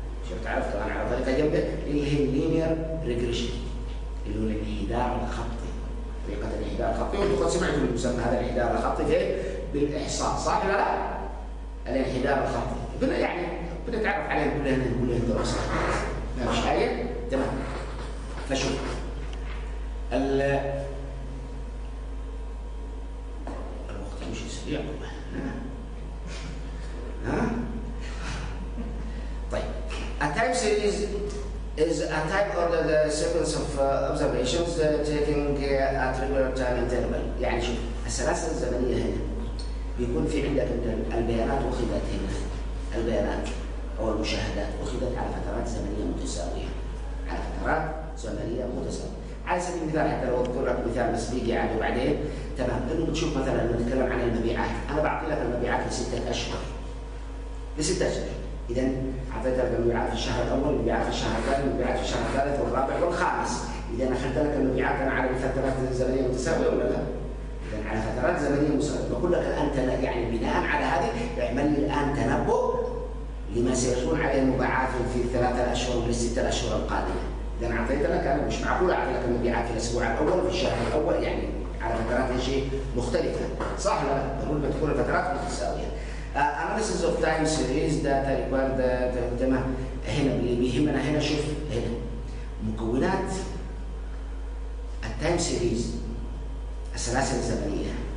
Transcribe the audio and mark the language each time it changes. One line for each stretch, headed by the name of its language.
Arabic: شفت عرفت انا على طريقه جنب اللي هي اللينير ريجريشن اللي هو الانحدار الخطي، طريقه الانحدار الخطي، وانتم قد سمعتوا المسمى هذا الانحدار الخطي بالاحصاء صح ولا لا؟ الانحدار الخطي يعني بنتعرف عليه كلنا كلنا دراسه مش حاجة؟ تمام. فشوف الوقت يمشي سريع ها؟ طيب
English: a time series is a type of the sequence of observations taking at regular time interval.
Arabic: يعني شوف السلاسل الزمنية هنا بيكون في عندك البيانات أخذت هنا البيانات أو المشاهدات أخذت على فترات زمنية متساوية على فترات زمنية متساوية. على سبيل المثال حتى لو أذكر لك مثال بس بيجي عاد وبعدين تمام، إنه بتشوف مثلا لما نتكلم عن المبيعات أنا بعطي لك المبيعات لستة أشهر لستة أشهر، إذا أعطيت لك المبيعات في الشهر الأول، المبيعات في الشهر الثاني، المبيعات في الشهر الثالث والرابع والخامس، إذا أخذت لك المبيعات أنا على فترات زمنية متساوية ولا لا؟ إذا على فترات زمنية متساوية، بقول لك الآن يعني بناء على هذه اعمل لي الآن تنبؤ لما سيكون عليه المبيعات في الثلاثة أشهر والستة أشهر القادمة. إذا أعطيت لك أنا مش معقول أعطي لك المبيعات في الأسبوع الأول في الشهر الأول يعني على فترات شيء مختلفة. صح لا؟ بقول بتكون الفترات متساوية.
English: Analysis of time series data required تمام.
Arabic: هنا اللي بيهمنا هنا شوف هنا مكونات التايم سيريز السلاسل الزمنية.